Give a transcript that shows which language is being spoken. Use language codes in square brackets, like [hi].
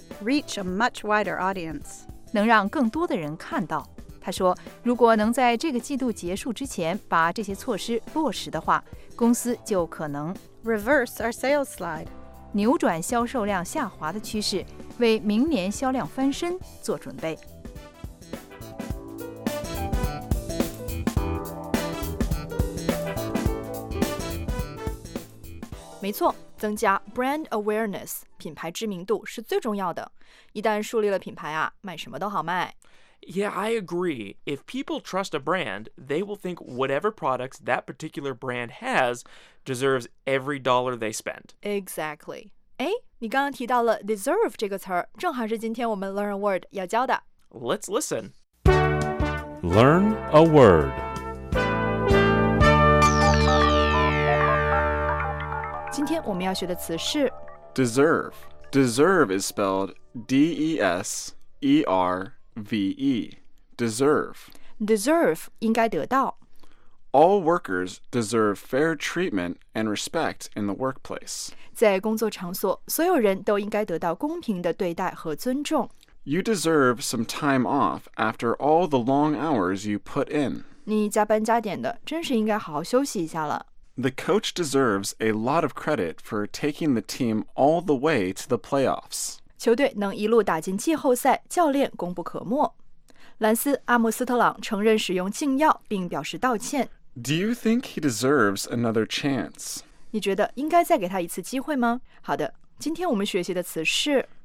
[en] reach a much wider audience， [zh] 能让更多的人看到。他说，如果能在这个季度结束之前把这些措施落实的话，公司就可能 [en] reverse our sales slide， [zh] 扭转销售量下滑的趋势，为明年销量翻身做准备。没错，增加 brand awareness， 品牌知名度是最重要的。一旦树立了品牌啊，卖什么都好卖。 [en] Yeah, I agree. If people trust a brand, they will think whatever products that particular brand has deserves every dollar they spend. Exactly. [zh] 哎，你刚刚提到了 deserve 这个词儿，正好是今天我们 [en] learn a word [zh] 要教的。 [en] Let's listen. Learn a word. [zh] 今天我们要学的词是 [en] deserve. Deserve is spelled D-E-S-E-R-V-E, deserve. [zh] Deserve 应该得到。 [en] All workers deserve fair treatment and respect in the workplace. [zh] 在工作场所，所有人都应该得到公平的对待和尊重。 [en] You deserve some time off after all the long hours you put in. [zh] 你加班加点的，真是应该好好休息一下了。 [en] The coach deserves a lot of credit for taking the team all the way to the playoffs. [zh] 球队能一路打进季后赛，教练功不可没。兰斯·阿姆斯特朗承认使用禁药，并表示道歉。 [en] Do you think he deserves another chance? [zh] 你觉得应该再给他一次机会吗？好的，今天我们学习的词是